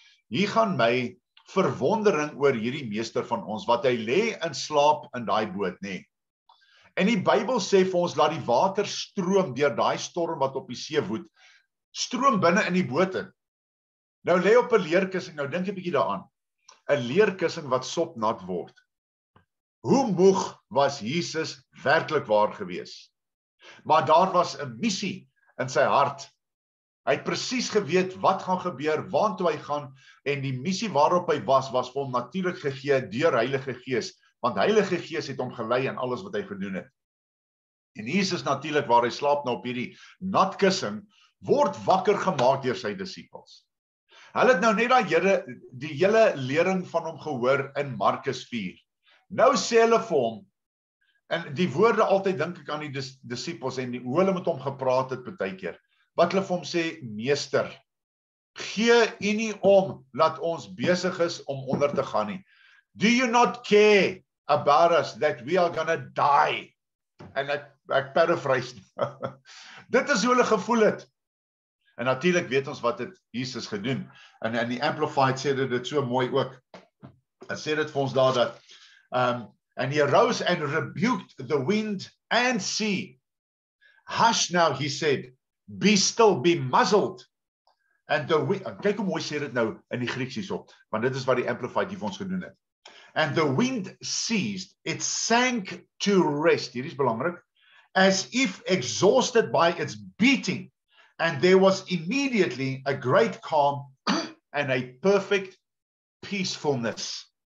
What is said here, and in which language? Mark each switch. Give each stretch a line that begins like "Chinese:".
Afrikaans: Hier gaan my verwondering oor hierdie meester van ons wat hy lê in slaap in daai boot nê. En die Bybel sê vir ons laat die water stroom deur daai storm wat op die see woed, stroom binne in die boot in. Nou lê op 'n leerkussing, nou dink 'n bietjie daaraan. 'N leerkussing wat sopnat word. Hoe moeg was Jesus werklik waar gewees? Maar daar was 'n missie in sy hart. Hy het presies geweet wat gaan gebeur, waartoe hy gaan en die missie waarop hy was vir hom natuurlik gegee deur Heilige Gees, want Heilige Gees het hom gelei in alles wat hy gedoen het. En Jesus natuurlik waar hy slaap nou op hierdie nat kussing word wakker gemaak deur sy disippels. Hulle het nou net daai die hele lering van hom gehoor in Markus 4. Nou sê hulle vir hom en die woorde altyd dink ek aan die disippels en hoe hulle met hom gepraat het baie keer. Wat hulle vir hom sê, meester, gee u nie om dat ons besig is om onder te gaan nie.
English: Do you not care about us that we are going to die?
Afrikaans: En ek paraphrase. Dit is hoe hulle gevoel het. En natuurlik weet ons wat het Jesus gedoen. En in die Amplified sê dit so mooi ook. Hy sê dit vir ons daar dat
English: and he arose and rebuked the wind and sea. Hush now, he said. Be still, be muzzled. And the wind,
Afrikaans: kyk hoe mooi sê dit nou in die Grieks hierop, want dit is wat die Amplified hier vir ons gedoen het.
English: And the wind ceased, it sank to rest,
Afrikaans: hier is belangrik,
English: as if exhausted by its beating, and there was immediately a great calm and a perfect peacefulness.